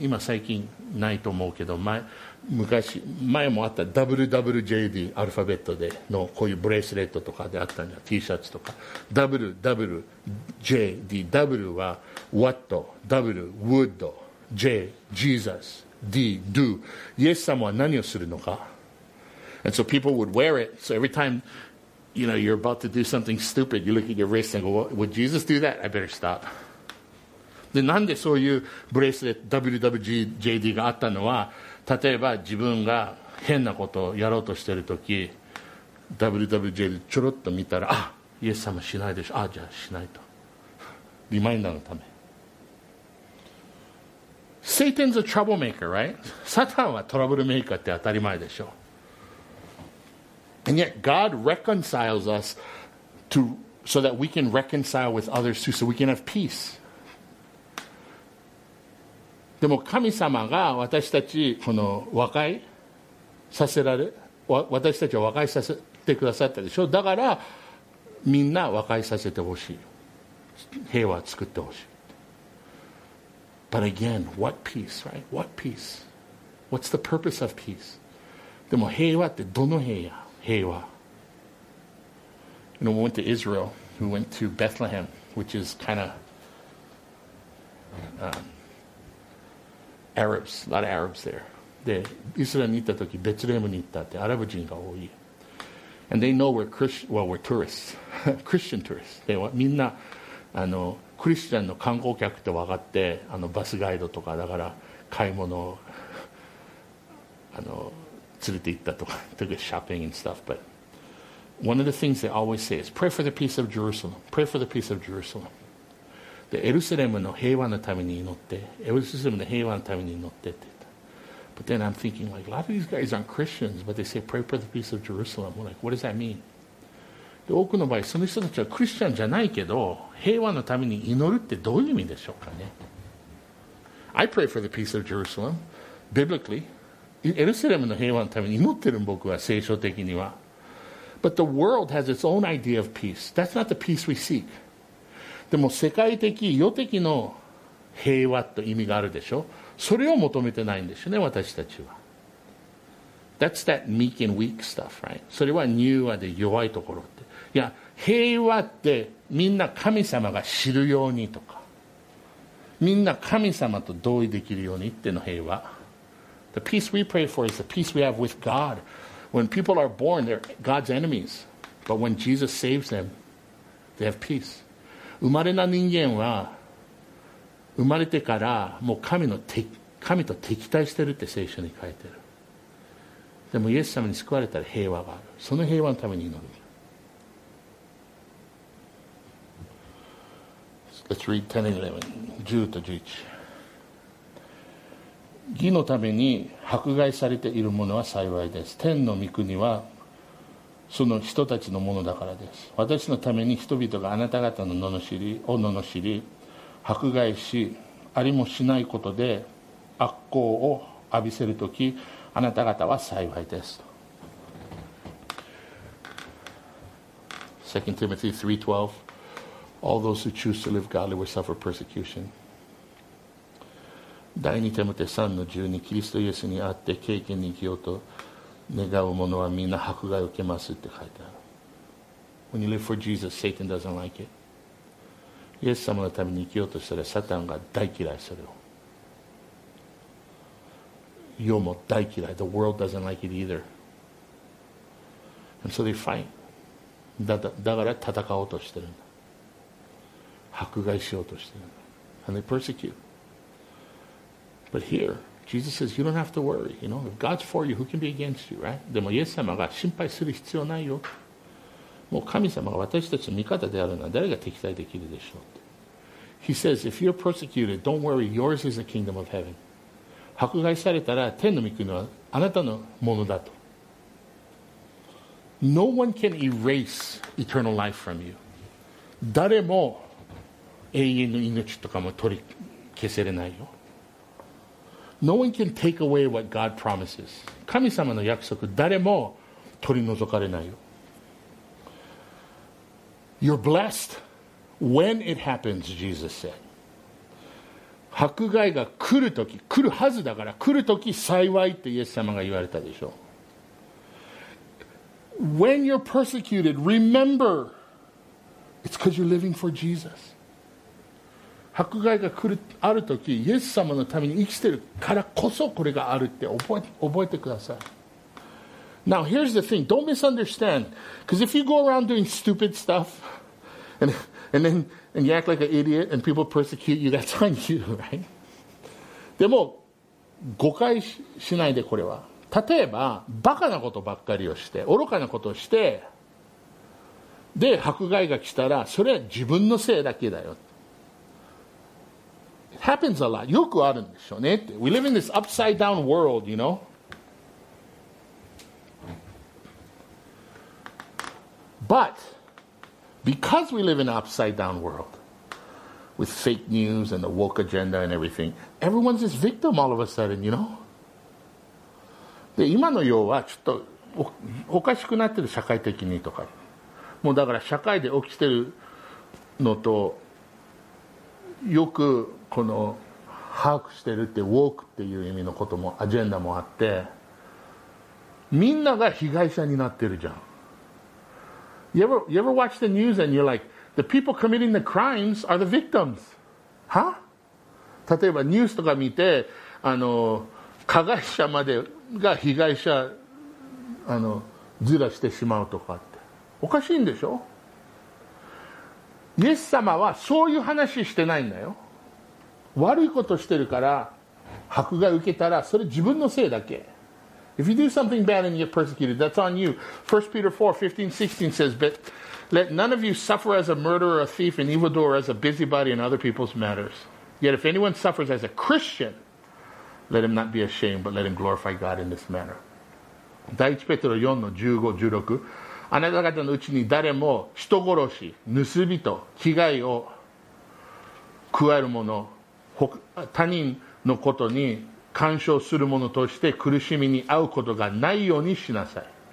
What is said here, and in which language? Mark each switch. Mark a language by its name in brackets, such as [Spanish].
[Japanese] 今最近ないと思うけど、前もあった WWJD、アルファベットでのこういうブレスレットとかであったんじゃん、 T シャツとか。 [English] WWJD、W は What、W、Would、J、Jesus、D、Do。 [Japanese] イエス様は何をするのか。 [English] And so people would wear it. So every time, you know, you're about to do something stupid, you look at your wrist and go, Would Jesus do that? I better stop. [Japanese] でなんでそういうブレスレット WWJD があったのは、例えば自分が変なことをやろうとしているとき、 WWJD ちょろっと見たら、あ、イエス様しないでしょ、あ、じゃあしないと、リマインダーのため。 [English] Satan's a troublemaker, right? [Japanese] サタンはトラブルメーカーって当たり前でしょ。 [English] And yet God reconciles us to, so that we can reconcile with others too, so we can have peace. [Japanese] でも神様が私たちこの和解させられ、私たちを和解させてくださったでしょ。だからみんな和解させてほしい、平和を作ってほしい。 [English] But again, what peace, right? What peace? What's the purpose of peace? [Japanese] でも平和ってどの平和？平和。 [English] You know, we went to Israel. We went to Bethlehem, which is kind of Arabs, a lot of Arabs there. [Japanese] で、イスラエルに行った時、ベツレムに行ったって、アラブ人が多い。 [English] And they know we're Christian, well, we're tourists, Christian tourists. [Japanese] で、みんな、クリスチャンの観光客って分かって、バスガイドとか、だから、買い物を連れて行ったとか、特にショッピング [English] and stuff. But one of the things they always say is pray for the peace of Jerusalem. Pray for the peace of Jerusalem. [Japanese] で、エルサレムの平和のために祈って、エルサレムの平和のために祈ってって言った。 [English] But then I'm thinking, like, a lot of these guys aren't Christians, but they say pray for the peace of Jerusalem. We're like, what does that mean? [Japanese] で多くの場合、その人たちはクリスチャンじゃないけど、平和のために祈るってどういう意味でしょうかね。 [English] I pray for the peace of Jerusalem, biblically. [Japanese] エルサレムの平和のために祈ってる僕は、聖書的には。 [English] But the world has its own idea of peace. That's not the peace we seek. [Japanese] でも世界的、世的の平和と意味があるでしょ。それを求めてないんですよね、私たちは。 [English] That's that meek and weak stuff, right? [Japanese] それは柔和で弱いところって。いや、平和ってみんな神様が知るようにとか、みんな神様と同意できるようにっての平和。 [English] The peace we pray for is the peace we have with God. When people are born, they're God's enemies. But when Jesus saves them, they have peace. [Japanese] 生まれな人間は、生まれてからもう神と敵対してるって聖書に書いてる。でもイエス様に救われたら平和がある。その平和のために祈る。 [English] Let's read 10 and 11. [Japanese] 10と11. 義のために迫害されているものは幸いです。天の御国はその人たちのものだからです。私のために人々があなた方の罵りを罵り、迫害し、ありもしないことで悪行を浴びせるとき、あなた方は幸いです。 [English] 2 Timothy 3:12. All those who choose to live godly will suffer persecution. [Japanese] 第2テモテ 3-12 キリストイエスにあって経験に生きようと願う者はみんな迫害を受けますって書いてある。 [English] When you live for Jesus, Satan doesn't like it. [Japanese] イエス様のために生きようとしたらサタンが大嫌いする。世も大嫌い。 [English] The world doesn't like it either. And so they fight. [Japanese] だから戦おうとしてるんだ。迫害しようとしている。 [English] And they persecute. But here, Jesus says, you don't have to worry. You know, if God's for you, who can be against you, right? [Japanese] でもイエス様が心配する必要ないよ。もう神様が私たちの味方であるのは誰が敵対できるでしょうって。 [English] He says, if you're persecuted, don't worry. Yours is the kingdom of heaven. [Japanese] 迫害されたら天の御国はあなたのものだと。 [English] No one can erase eternal life from you. [Japanese] 誰も永遠の命とかも取り消せれないよ。 [English] No one can take away what God promises. [Japanese] 神様の約束、誰も取り除かれないよ。 [English] You're blessed when it happens, Jesus said. [Japanese] 迫害が来るとき、来るはずだから、来るとき幸いってイエス様が言われたでしょ。 [English] When you're persecuted, remember, it's because you're living for Jesus. [Japanese] 迫害が来るあるとき、イエス様のために生きてるからこそこれがあるって覚えてください。 [English] Now, here's the thing. Don't misunderstand. Because if you go around doing stupid stuff, and you act like an idiot, and people persecute you, that's on you, right? [Japanese] でも、誤解しないでこれは。例えば、バカなことばっかりをして、愚かなことをして、で、迫害が来たら、それは自分のせいだけだよ。 [English] Happens a lot. [Japanese] よくあるんでしょうねって。 [English] We live in this upside down world, you know? But, because we live in an upside down world, with fake news and the woke agenda and everything, everyone's this victim all of a sudden, you know? [Japanese] で、今の世はちょっとおかしくなってる、社会的にとか。もうだから社会で起きてるのと、よくこの把握してるってウォークっていう意味のこともアジェンダもあってみんなが被害者になってるじゃん。 [English] You ever watch the news and you're like the people committing the crimes are the victims? Huh? [Japanese] 例えばニュースとか見て加害者までが被害者ずらしてしまうとかっておかしいんでしょ。イエス様はそういう話してないんだよ。悪いことしてるから迫害を受けたらそれ自分のせいだけ。 [English] If you do something bad and you get persecuted, that's on you. 1 Peter 4:15-16 says, But let none of you suffer as a murderer, a thief, an evildoer, as a busybody in other people's matters. Yet if anyone suffers as a Christian, let him not be ashamed, but let him glorify God in this manner. [Japanese] 第1ペテロ 4:15-16 あなた方のうちに誰も人殺し、盗人、危害を加える者、他人のことに干渉する者として苦しみに遭うことがないようにしなさい。